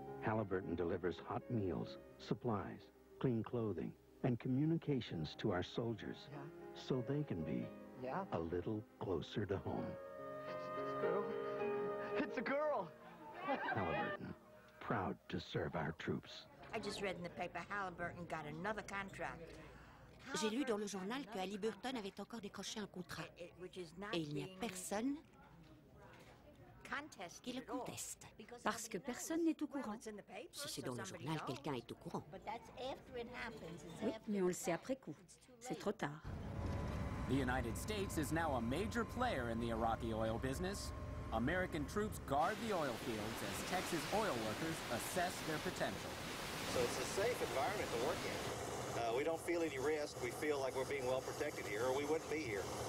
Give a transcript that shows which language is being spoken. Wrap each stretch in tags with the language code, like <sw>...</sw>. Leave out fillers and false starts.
<en>Halliburton delivers hot meals, supplies, clean clothing, and communications to our soldiers so they can be a little closer to home. It's a girl! Halliburton, proud to serve our troops. I just read in the paper Halliburton got another contract.</en> <fr>J'ai lu dans le journal que Halliburton avait encore décroché un contrat. Et il n'y a personne qui le conteste. Parce que personne n'est au courant. Si c'est dans le journal, quelqu'un est au courant. Oui, mais on le sait après coup. C'est trop tard.</fr> <en>The United States is now a major player in the Iraqi oil business. American troops guard the oil fields as Texas oil workers assess their potential. So it's a safe environment to work in. We don't feel any risk. We feel like we're being well protected here, or we wouldn't be here.</en>